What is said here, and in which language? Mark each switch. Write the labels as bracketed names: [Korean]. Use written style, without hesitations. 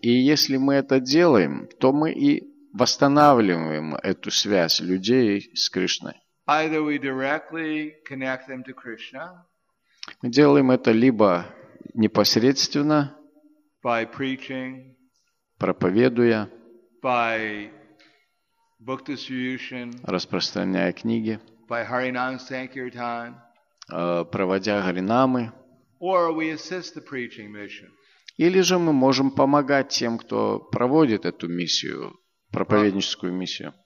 [Russian] И если мы это делаем, то мы и восстанавливаем эту связь людей с Кришной. [English] Either we directly connect them to Krishna, [Russian] мы делаем это либо непосредственно, [English] by preaching, [Russian] проповедуя, [English] by book distribution, [Russian] распространяя книги, [English] by Harinam Sankirtan, [Russian] проводя харинамы, [English] or we assist the preaching mission. [Russian] Или же мы можем помогать тем, кто проводит эту миссию проповедническую миссию.